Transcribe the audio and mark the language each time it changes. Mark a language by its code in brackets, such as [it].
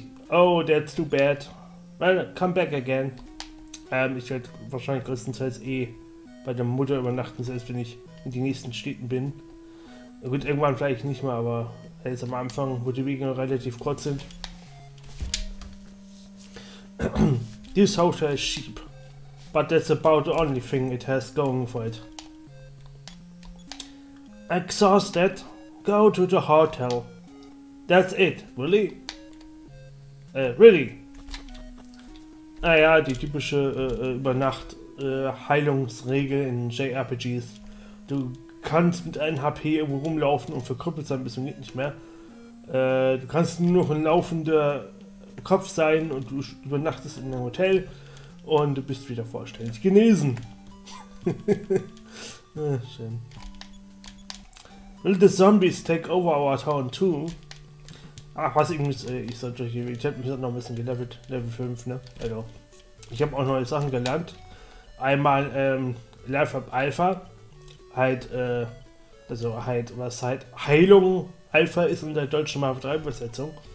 [en] Oh, that's too bad. Well, come back again. [de] Ich werde wahrscheinlich größtenteils eh bei der Mutter übernachten, selbst wenn ich in den nächsten Städten bin. Gut, irgendwann vielleicht nicht mehr, aber jetzt am Anfang, wo die Wege noch relativ kurz sind. [en] This hotel is cheap, but that's about the only thing it has going for it. Exhausted? Go to the hotel. That's it, really? Really? [de] Naja, die typische Übernacht, Heilungsregel in JRPGs. Du kannst mit einem HP irgendwo rumlaufen und verkrüppelt sein, bis du nicht mehr. Du kannst nur noch ein laufender Kopf sein und du übernachtest in einem Hotel und du bist wieder vollständig genesen. Ja, schön. [en] Will the zombies take over our town too? [de] Ach, was irgendwie ist, ich sollte hier, ich hab mich noch ein bisschen gelevelt, Level 5, ne? Also, ich habe auch neue Sachen gelernt. Einmal, Life Up Alpha, halt, also halt, was halt Heilung Alpha ist in der deutschen Marvel 3 Übersetzung.